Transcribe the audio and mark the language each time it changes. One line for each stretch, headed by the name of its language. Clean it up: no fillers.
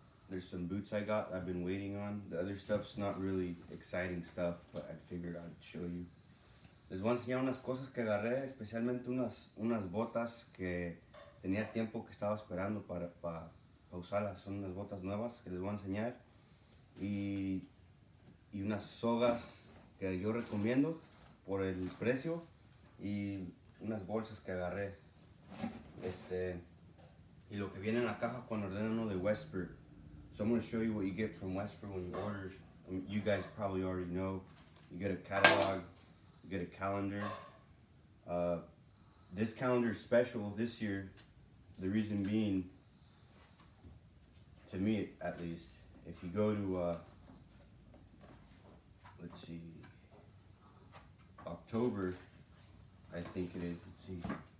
English: There's some boots I got I've been waiting on. The other stuff's not really exciting stuff, but I figured I'd show you.
Spanish: Les voy a enseñar unas cosas que agarré, especialmente unas botas que tenía tiempo que estaba esperando para usarlas. Son unas botas nuevas que les voy a enseñar. Y unas sogas que yo recomiendo por el precio. Y unas bolsas que agarré. Y lo que viene en la caja cuando ordeno uno de Wesper.
English: So I'm going to show you what you get from Wesper when you order. I mean, you guys probably already know. You get a catalog. You get a calendar. This calendar is special this year. The reason being, to me at least, if you go to, let's see, October, I think it is, let's see.